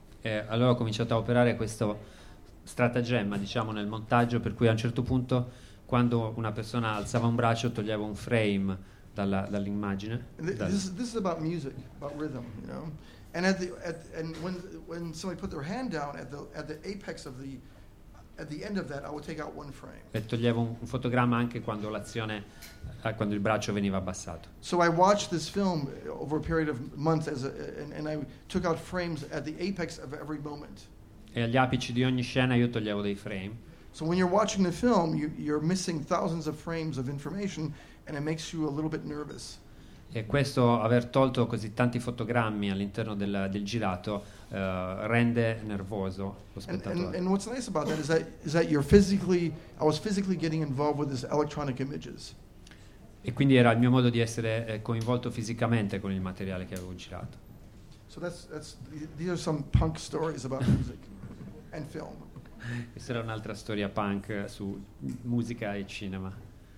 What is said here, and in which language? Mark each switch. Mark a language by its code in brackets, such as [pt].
[it] E allora ho cominciato a operare questo stratagemma, diciamo, nel montaggio, per cui a un certo punto quando una persona alzava un braccio toglieva un frame dall'immagine. [en] This is about music, about rhythm, you know. And when somebody put their hand down at the apex of the at the end of that, I would take out one frame. [it] E toglievo un fotogramma anche quando l'azione quando il braccio veniva abbassato. [en] So I watched this film over a period of months and I took out frames at the apex of every moment. [it] E agli apici di ogni scena io toglievo dei frame. [en] So when you're watching the film, you're missing thousands of frames of information, and it makes you a little bit nervous. [it] E questo aver tolto così tanti fotogrammi all'interno del girato rende nervoso lo spettatore. [en] And what's nice about that is that you're physically, I was physically getting involved with these electronic images. [it] E quindi era il mio modo di essere coinvolto fisicamente con il materiale che avevo girato. [en] So that's these are some punk stories about music and film. [it] Questa era un'altra storia punk su musica e cinema.